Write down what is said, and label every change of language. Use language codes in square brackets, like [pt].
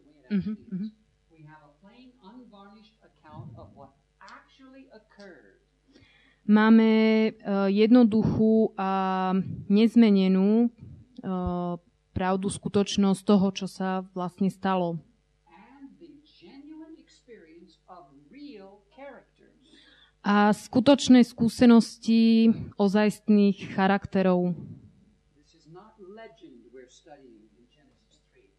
[en] We have a plain, unvarnished account of what actually occurred. [sk] Máme jednoduchú a nezmenenú pravdu, skutočnosť toho, čo sa vlastne stalo. [en] And the genuine experience of real characters. [sk] A skutočné skúsenosti ozajstných charakterov. [en] This is not legend we're studying in Genesis 3.